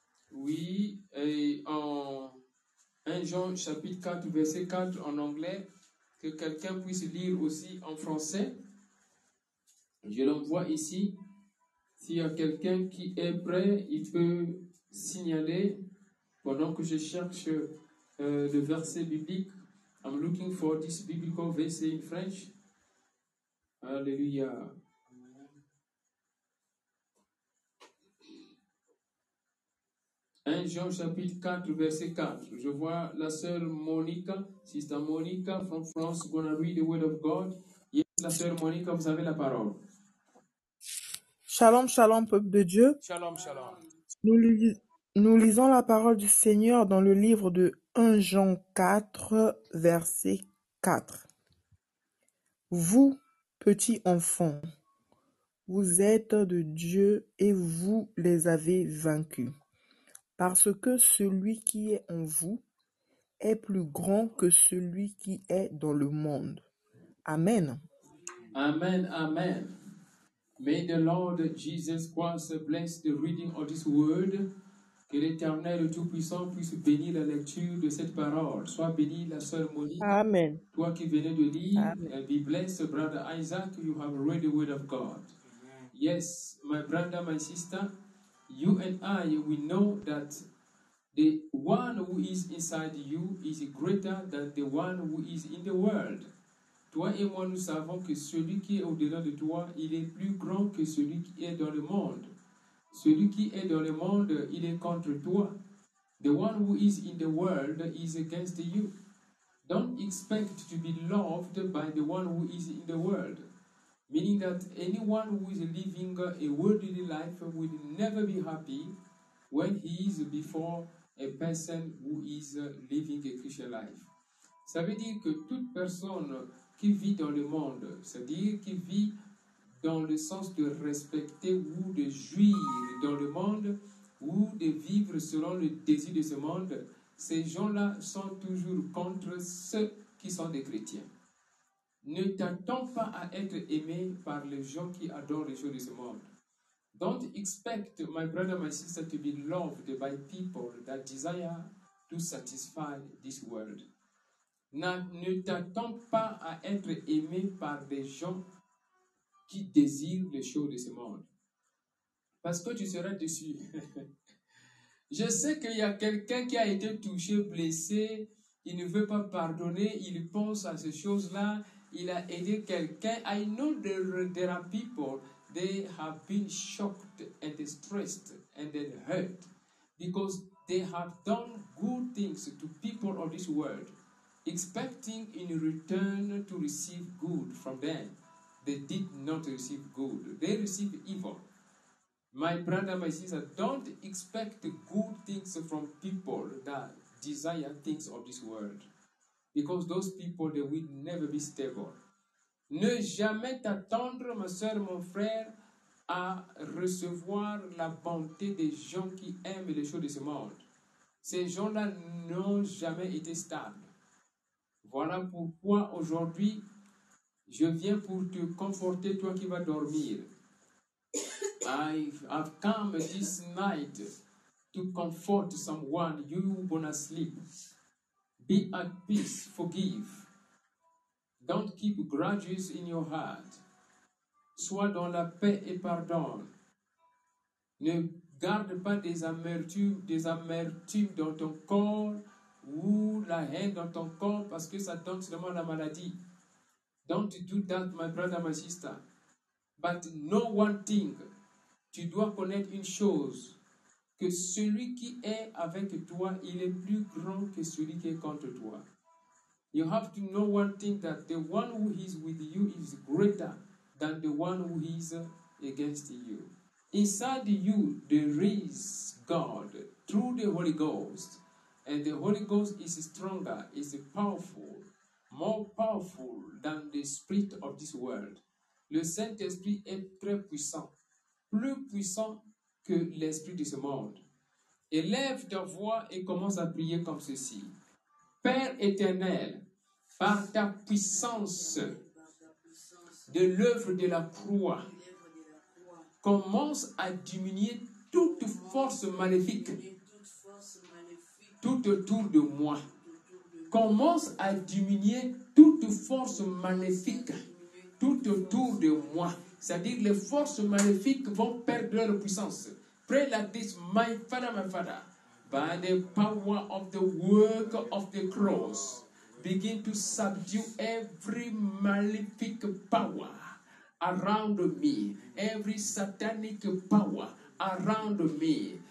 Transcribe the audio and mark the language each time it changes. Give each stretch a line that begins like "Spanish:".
French: Oui, et en 1 Jean chapitre 4, verset 4 en anglais, que quelqu'un puisse lire aussi en français. Je l'envoie ici. S'il y a quelqu'un qui est prêt, il peut signaler pendant que je cherche le verset biblique.
English: I'm looking for this biblical verse in French.
French: Alléluia. Amen. 1 Jean chapitre 4, verset 4. Je vois la sœur Monica,
English: Sister Monica from France, gonna read the word of God.
French: Yes, la sœur Monica, vous avez la parole. Shalom, shalom, peuple de Dieu. Shalom, shalom. Nous lisons la parole du Seigneur dans le livre de 1 Jean 4, verset 4. Vous, petits enfants, vous êtes de Dieu et vous les avez vaincus. Parce que celui qui est en vous est plus grand que celui qui est dans le monde. Amen. Amen, amen.
English: May the Lord Jesus Christ bless the reading of this word.
French: Que l'Éternel Tout-Puissant puisse bénir la lecture de cette parole. Sois béni, la sœur Monique. Amen. Toi qui venais de lire,
English: and be blessed, brother Isaac, you have read the word of God. Amen. Yes, my brother, my sister, you and I, we know that the one who is inside you is greater than the one who is in the world.
French: Toi et moi, nous savons que celui qui est au-delà de toi, il est plus grand que celui qui est dans le monde. Celui qui est dans le monde, il est contre toi.
English: The one who is in the world is against you. Don't expect to be loved by the one who is in the world. Meaning that anyone who is living a worldly life will never be happy when he is before a person who is living a Christian life.
French: Ça veut dire que toute personne qui vit dans le monde, c'est-à-dire qui vit dans le sens de respecter ou de jouir dans le monde ou de vivre selon le désir de ce monde, ces gens-là sont toujours contre ceux qui sont des chrétiens. Ne t'attends pas à être aimé par les gens qui adorent les choses de ce monde.
English: Don't expect, my brother, my sister, to be loved by people that desire to satisfy this world.
French: Ne t'attends pas à être aimé par des gens qui désirent les choses de ce monde. Parce que tu seras déçu. Je sais qu'il y a quelqu'un qui a été touché, blessé, il ne veut pas pardonner, il pense à ces choses-là, il a aidé quelqu'un.
English: I know there are people, they have been shocked and stressed and then hurt because they have done good things to people of this world, expecting in return to receive good from them. They did not receive good. They received evil. My brother, my sister, don't expect good things from people that desire things of this world. Because those people, they will never be stable.
French: Ne jamais t'attendre, ma soeur, mon frère, à recevoir la bonté des gens qui aiment les choses de ce monde. Ces gens-là n'ont jamais été stables. Voilà pourquoi aujourd'hui, je viens pour te conforter, toi qui vas dormir.
English: I have come this night to comfort someone, you who are gonna sleep. Be at peace, forgive. Don't keep grudges in your heart.
French: Sois dans la paix et pardonne. Ne garde pas des amertumes dans ton corps, ou la haine dans ton corps parce que ça donne seulement la maladie.
English: Don't do that, my brother, my sister. But know one thing.
French: Tu dois connaître une chose, que celui qui est avec toi, il est plus grand que celui qui est contre toi.
English: You have to know one thing, that the one who is with you is greater than the one who is against you. Inside you, there is God through the Holy Ghost. And the Holy Ghost is stronger, is powerful, more powerful than the spirit of this world.
French: Le Saint-Esprit est très puissant, plus puissant que l'esprit de ce monde. Élève ta voix et commence à prier comme ceci. Père éternel, par ta puissance de l'œuvre de la croix, commence à diminuer toute force maléfique tout autour de moi. Commence à diminuer toute force maléfique tout autour de moi. C'est-à-dire les forces maléfiques vont perdre leur puissance.
English: Pray like this, my father, by the power of the work of the cross, begin to subdue every malefic power around me, every satanic power around me.